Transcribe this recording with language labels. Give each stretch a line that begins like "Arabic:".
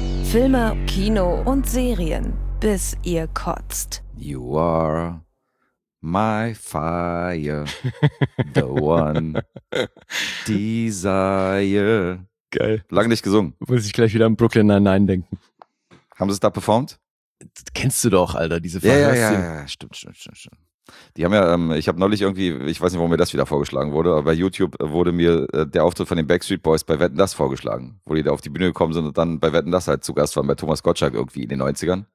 German: Filme, Kino und Serien, bis ihr kotzt.
English: You are my fire, the one desire.
German: Geil. Lange nicht gesungen. Muss ich gleich wieder an Brooklyn Nine-Nine denken. Haben sie es da performt? Kennst du doch, Alter, diese Fantasie. Ja, ja, ja, stimmt. Die haben ja, ich habe neulich irgendwie, ich weiß nicht, warum mir das wieder vorgeschlagen wurde, aber bei YouTube wurde mir der Auftritt von den Backstreet Boys bei Wetten, dass vorgeschlagen, wo die da auf die Bühne gekommen sind und dann bei Wetten, dass halt zu Gast waren, bei Thomas Gottschalk irgendwie in den 90ern.